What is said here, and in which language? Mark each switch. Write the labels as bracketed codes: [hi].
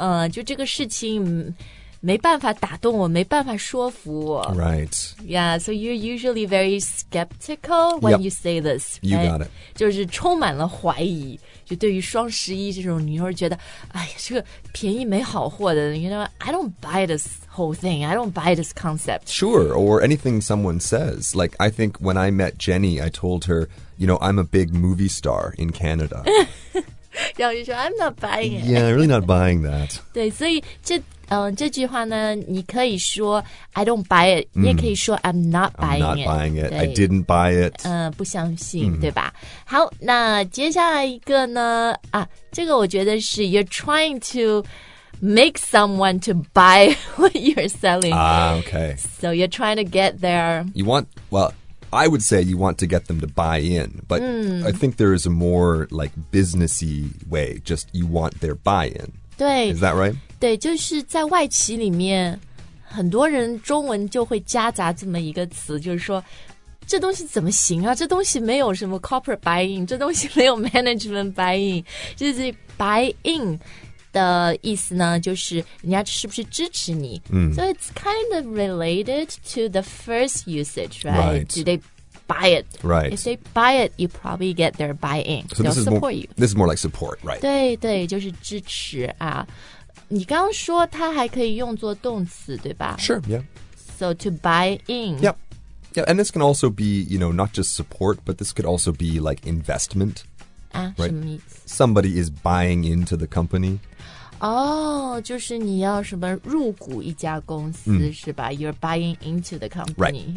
[zh] 就这个事情没办法打动我，没办法说服我。 [en] Right. Yeah, so you're usually very skeptical when yep. you say this.、Right? You got it. [zh] 就是充满了怀疑，就对于双十一这种，你就觉得，哎呀，这个便宜没好货的。 [en] You know, I don't buy this whole thing. I don't buy this concept. Sure, or anything someone says. Like, I think when I met Jenny, I told her, you know, I'm a big movie star in Canada. [zh] 然后就说 [en] I'm not buying it. Yeah, really not buying that. [zh] 对，所以这句话呢，你可以说 [en] I don't buy it， [zh] 你也可以说 [en] I'm not buying it. I'm not buying it. I didn't buy it. [zh] 不相信，对吧？好，那接下来一个呢？这个我觉得是 [en] you're trying to make someone to buy what you're selling. Okay. So you're trying to get their. I would say you want to get them to buy in, but I think there is a more like businessy way, just you want their buy-in. [zh] 对 [en] Is that right? [zh] 对，就是在外企里面，很多人中文就会夹杂这么一个词，就是说这东西怎么行啊？这东西没有什么 [en] corporate buy-in, [zh] 这东西没有 [en] management buy-in, [zh] 就是 buy-in的意思呢，就是人家是不是支持你。 [en] So it's kind of related to the first usage, right? Right. Do they buy it? Right. If they buy it, you probably get their buy-in. So this is, support you. This is more like support, right? [zh] 对对，就是支持啊。你刚刚说它还可以用作动词，对吧？ [en] Sure, yeah. So to buy in. Yep. Yeah, and this can also be, you know, not just support, but this could also be like investment. Right. Somebody is buying into the company. [zh] Oh, 就是你要什么入股一家公司、是吧 [en] You're buying into the company.